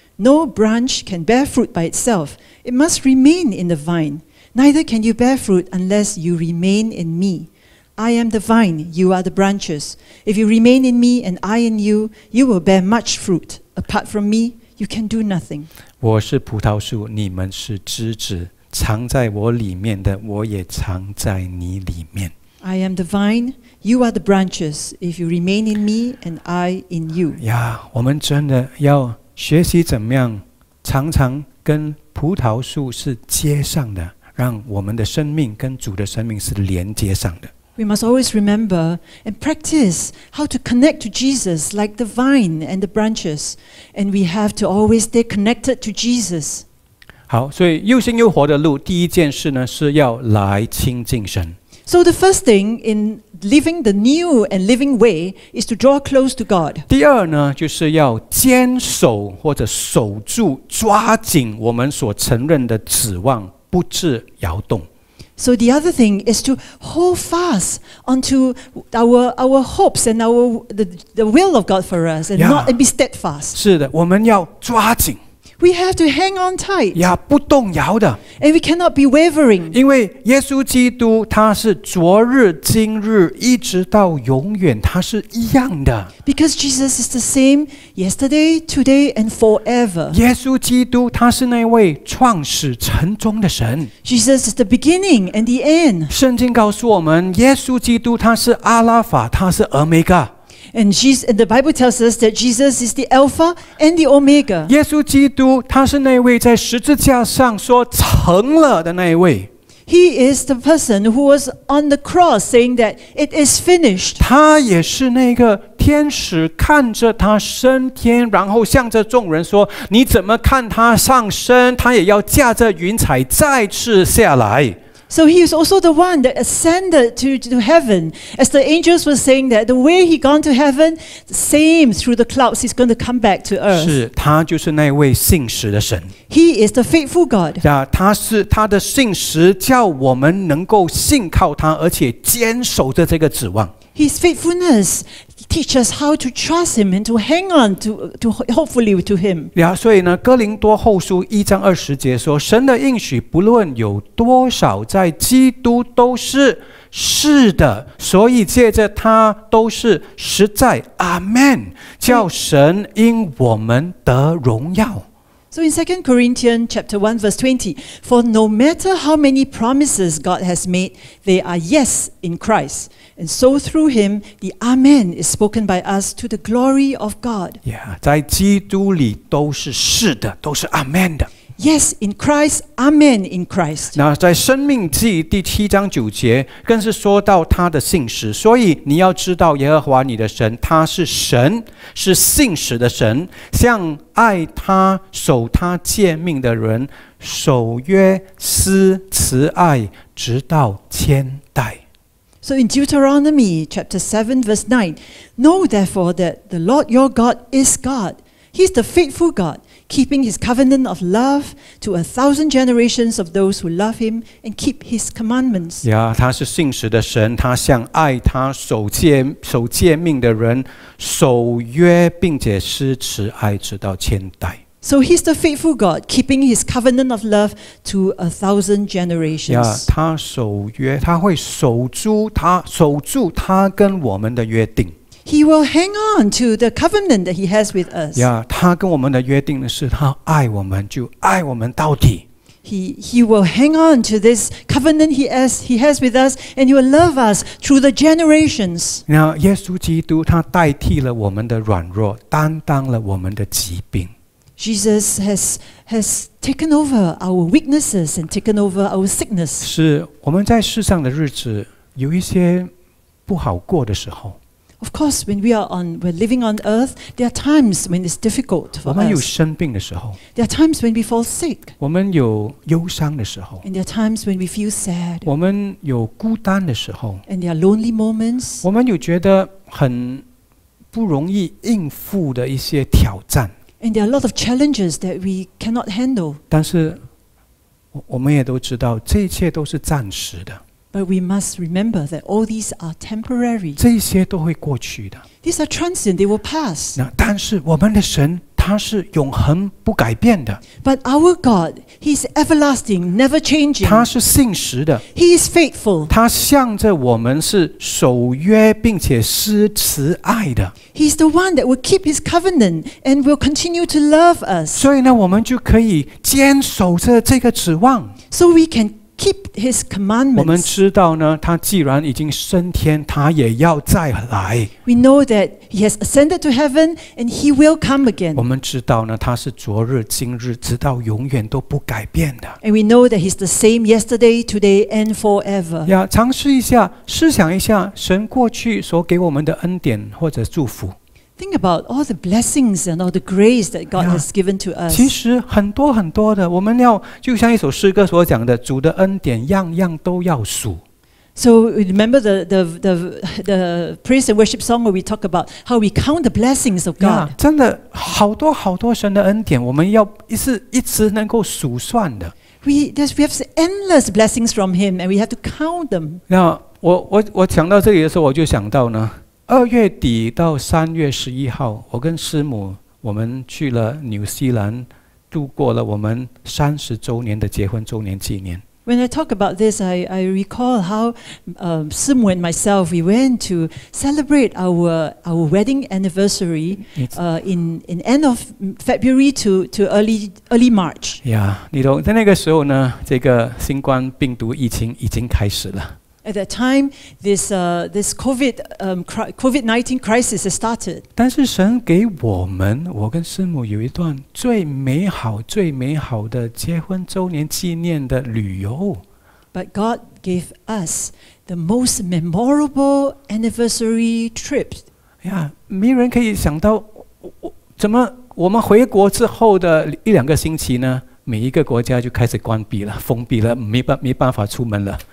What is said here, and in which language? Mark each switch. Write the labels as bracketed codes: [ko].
[en] No branch can bear fruit by itself. It must remain in the vine. Neither can you bear fruit unless you remain in me. I am the vine, you are the branches. If you remain in me and I in you, you will bear much fruit. Apart from me, you can do nothing. [zh] 我是葡萄树，你们是枝子。藏在我里面的，我也藏在你里面。 [en] I am the vine, you are the branches. If you remain in me and I in you. [zh] 呀，我们真的要学习怎么样常常跟葡萄树是接上的，让我们的生命跟主的生命是连接上的。 [en] We must always remember and practice how to connect to Jesus like the vine and the branches. And we have to always stay connected to Jesus. [zh] 好，所以又新又活的路，第一件事呢，是要来亲近神。 [en] So the first thing in living the new and living way is to draw close to God. [zh] 第二呢，就是要坚守或者守住，抓紧我们所承认的指望，不致摇动。 [en] So the other thing is to hold fast onto our hopes and the will of God for us and not be steadfast. [zh] 是的，我们要抓紧。 [en] We have to hang on tight. [zh] 呀，不动摇的。 [en] And we cannot be wavering. [zh] 因为耶稣基督他是昨日、今日一直到永远，他是一样的。 [en] Because Jesus is the same yesterday, today, and forever. [zh] 耶稣基督他是那位创始成终的神。 [en] Jesus is the beginning and the end. [zh] 圣经告诉我们，耶稣基督他是阿拉法，他是俄梅伽。 [en] And the Bible tells us that Jesus is the Alpha and the Omega. [zh] 耶稣基督，他是那位在十字架上说成了的那一位。 [en] He is the person who was on the cross saying that it is finished. [zh] 他也是那个天使看着他升天，然后向着众人说：“你怎么看他上升？他也要驾着云彩再次下来。” [en] So he is also the one that ascended to heaven, as the angels were saying that the way he gone to heaven, same through the clouds, he's going to come back to earth. [zh] 是，他就是那位信实的神。 [en] He is the faithful God. [zh] 呀，他是他的信实，叫我们能够信靠他，而且坚守着这个指望。 [en] His faithfulness teach us how to trust him and to hang on to hopefully to him. [zh] 呀，所以呢，哥林多后书一章二十节说，神的应许不论有多少，在基督都是是的，所以借着他都是实在。阿门，叫神因我们得荣耀。 [en] So in 2 Corinthians chapter 1 verse 20, for no matter how many promises God has made, they are yes in Christ. And so through him, the Amen is spoken by us to the glory of God. Yeah, [zh] 在基督里都是是的，都是 Amen 的。 [en] Yes, in Christ, Amen in Christ. [zh] 那在生命记第七章九节更是说到他的信实，所以你要知道耶和华你的神，他是神，是信实的神，像爱他、守他诫命的人，守约、施慈爱，直到千代。 [en] So in Deuteronomy chapter 7 verse 9, know therefore that the Lord your God is God. He's the faithful God. Keeping his covenant of love to 1,000 generations of those who love him and keep his commandments. Yeah, [zh] 他是信实的神，他向爱他守诫命的人守约，并且施慈爱直到千代。 [en] So he's the faithful God, keeping his covenant of love to 1,000 generations. Yeah, [zh] 他守约，他会守住他跟我们的约定。 [en] He will hang on to the covenant that he has with us. Yeah, [zh] 他跟我们的约定的是，他爱我们就爱我们到底。 [en] He will hang on to this covenant he has with us, and he will love us through the generations. Now, [zh] 耶稣基督他代替了我们的软弱，担当了我们的疾病。 [en] Jesus has taken over our weaknesses and taken over our sickness. [zh] 是我们在世上的日子有一些不好过的时候。 [en] Of course, when we're living on earth, there are times when it's difficult for us. [zh] 我们有生病的时候。 [en] There are times when we fall sick. [zh] 我们有忧伤的时候。 [en] And there are times when we feel sad. [zh] 我们有孤单的时候。 [en] And there are lonely moments. [zh] 我们有觉得很不容易应付的一些挑战。 [en] And there are a lot of challenges that we cannot handle. [zh] 但是我们也都知道，这一切都是暂时的。 [en] But we must remember that all these are temporary. [zh] 这些都会过去的。 [en] These are transient, they will pass. [zh] 但是我们的神，他他是永恒不改变的。 [en] But our God, He is everlasting, never changing. [zh] 他是信实的。 [en] He is faithful. [zh] 他向着我们是守约并且施慈爱的。 [en] He is the one that will keep His covenant and will continue to love us. [zh] 所以呢，我们就可以坚守着这个指望。 [en] So we can keep His commandments. [zh] 我们知道呢，他既然已经升天，他也要再来。 [en] We know that He has ascended to heaven and He will come again. [zh] 我们知道呢，他是昨日、今日，直到永远都不改变的。 [en] And we know that He's the same yesterday, today, and forever. [zh] 要尝试一下，试想一下，神过去所给我们的恩典或者祝福。 [en] Think about all the blessings and all the grace that God has given to us. [zh] 其实很多很多的，我们要就像一首诗歌所讲的，主的恩典样样都要数。 [en] So remember the praise and worship song where we talk about how we count the blessings of God. [zh] 真的好多好多神的恩典，我们要一直能够数算的。 [en] We have endless blessings from Him, and we have to count them. [zh] 那我讲到这里的时候，我就想到呢。二月底到三月十一号，我跟师母我们去了纽西兰，度过了我们三十周年的结婚周年纪念。 [en] When I talk about this, I recall how Simu and myself we went to celebrate our wedding anniversary in end of February to early March. Yeah, [zh] 你懂，在那个时候呢，这个新冠病毒疫情已经开始了。 [en] At that time, this COVID-19 crisis has started. [zh] 但是神给我们，我跟师母有一段最美好、最美好的结婚周年纪念的旅游。 [en] But God gave us the most memorable anniversary trip. [zh] 呀，没人可以想到，怎么我们回国之后的一两个星期呢？每一个国家就开始关闭了，封闭了，没办法出门了。